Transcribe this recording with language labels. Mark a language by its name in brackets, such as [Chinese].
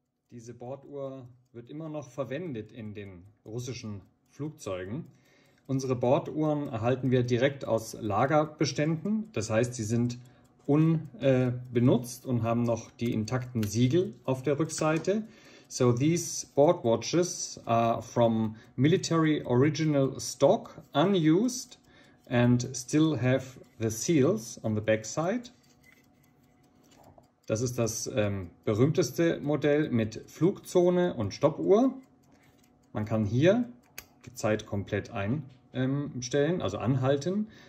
[German] Diese Borduhr wird immer noch verwendet in den russischen Flugzeugen. Unsere Borduhren erhalten wir direkt aus Lagerbeständen. Das heißt, sie sind unbenutzt und haben noch die intakten Siegel auf der Rückseite. [English] So, these Bordwatches are from military original stock, unused and still have the seals on the backside. [German] Das ist das berühmteste Modell mit Flugzone und Stoppuhr. Man kann hier die Zeit komplett einstellen, also anhalten.